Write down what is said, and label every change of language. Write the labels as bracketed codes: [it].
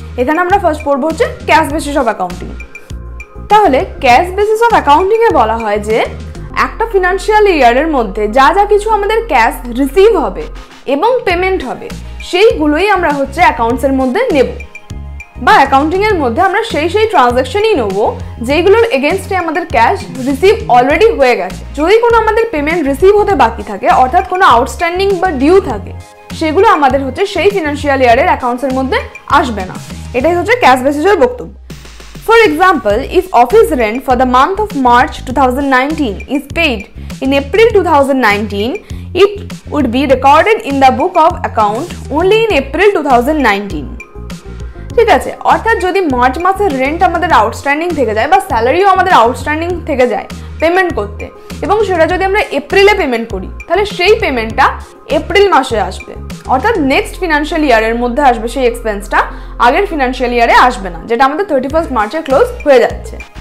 [bn] এখানে আমরা ফার্স্ট পড়বো হচ্ছে ক্যাশ বেসিস অফ অ্যাকাউন্টিং। তাহলে ক্যাশ বেসিস অফ অ্যাকাউন্টিংয়ে বলা হয় যে একটা ফিনান্সিয়াল ইয়ারের মধ্যে যা যা কিছু আমাদের ক্যাশ রিসিভ হবে এবং পেমেন্ট হবে সেইগুলোই আমরা হচ্ছে অ্যাকাউন্টসের মধ্যে নেব, বা অ্যাকাউন্টিংয়ের মধ্যে আমরা সেই সেই ট্রানজ্যাকশনই নেব যেইগুলোর এগেনস্টে আমাদের ক্যাশ রিসিভ অলরেডি হয়ে গেছে। যদি কোনো আমাদের পেমেন্ট রিসিভ হতে বাকি থাকে, অর্থাৎ কোনো আউটস্ট্যান্ডিং বা ডিউ থাকে, সেগুলো আমাদের হচ্ছে সেই ফিনান্সিয়াল ইয়ারের অ্যাকাউন্টসের মধ্যে আসবে না। এটাই হচ্ছে ক্যাশ বেসিসের বক্তব্য। [en] For example, if office rent for the month of March 2019 is paid in April 2019, it would be recorded in the book of account only in April 2019. [bn] ঠিক আছে? অর্থাৎ যদি মার্চ মাসের রেন্ট আমাদের আউটস্ট্যান্ডিং থেকে যায় বা স্যালারিও আমাদের আউটস্ট্যান্ডিং থেকে যায় পেমেন্ট করতে এবং সেটা যদি আমরা এপ্রিলে পেমেন্ট করি তাহলে সেই পেমেন্টটা এপ্রিল মাসে আসবে অর্থাৎ নেক্সট ফিনান্সিয়াল ইয়ারের মধ্যে আসবে সেই এক্সপেন্সটা আগের ফিনান্সিয়াল ইয়ারে আসবে না যেটা আমাদের 31st মার্চে ক্লোজ হয়ে যাচ্ছে